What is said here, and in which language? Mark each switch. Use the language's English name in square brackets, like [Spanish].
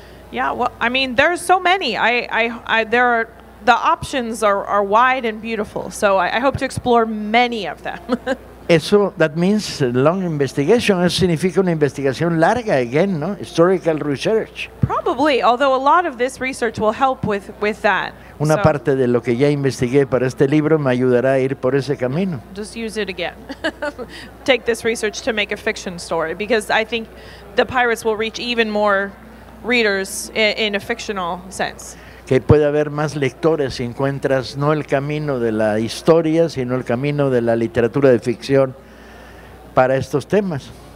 [English] Yeah, well, I mean, there's so many. The options are wide and beautiful. So I hope to explore many of them. [Spanish] Eso, [English] that means long investigation. [Spanish] Eso significa una investigación larga, [English] again, [Spanish] ¿no? [English] Historical research. Probably, although a lot of this research will help with that. [Spanish] Una parte de lo que ya investigué para este libro me ayudará a ir por ese camino. [English] Just use it again. Take this research to make a fiction story, because I think the pirates will reach even more readers in a fictional sense. [Spanish] Que puede haber más lectores si encuentras no el camino de la historia, sino el camino de la literatura de ficción para estos temas.